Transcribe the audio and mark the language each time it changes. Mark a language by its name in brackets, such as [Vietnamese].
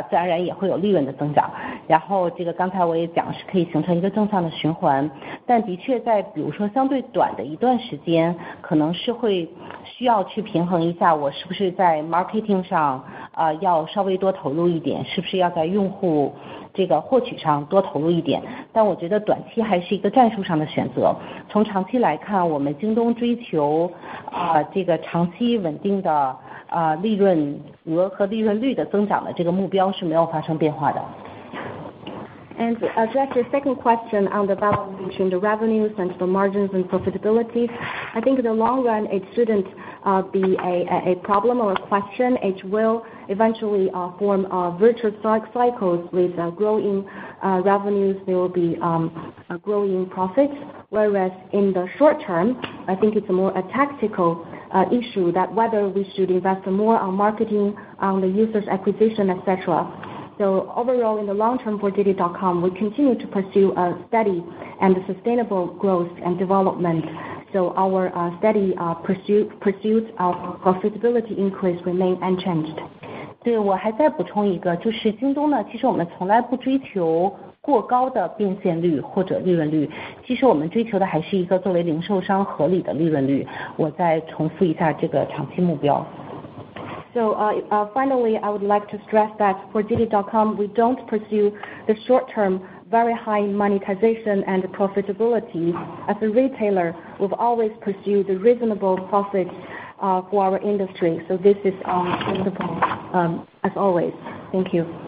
[Chinese] 自然而然也会有利润的增长，然后这个刚才我也讲是可以形成一个正向的循环，但的确在比如说相对短的一段时间，可能是会需要去平衡一下，我是不是在 marketing 上要稍微多投入一点，是不是要在用户这个获取上多投入一点，但我觉得短期还是一个战术上的选择。从长期来看，我们京东追求这个长期稳定的利润额和利润率的增长的这个目标是没有发生变化的。 [English] And to address your second question on the balance between the revenues and the margins and profitability, I think in the long run it shouldn't be a problem or a question. It will eventually form a virtuous cycles with growing revenues, there will be growing profits. Whereas in the short term, I think it's more a tactical issue that whether we should invest more on marketing, on the users acquisition, etc. So overall, in the long term for JD.com, we continue to pursue a steady and sustainable growth and development. So our steady pursuit of profitability increase remain unchanged. [Chinese] 对，我还再补充一个，就是京东呢，其实我们从来不追求过高的变现率或者利润率，其实我们追求的还是一个作为零售商合理的利润率。我再重复一下这个长期目标。 [English] So finally, I would like to stress that for JD.com, we don't pursue the short-term very high monetization and profitability. As a retailer, we've always pursued the reasonable profits for our industry. So this is our principle, as always. Thank you.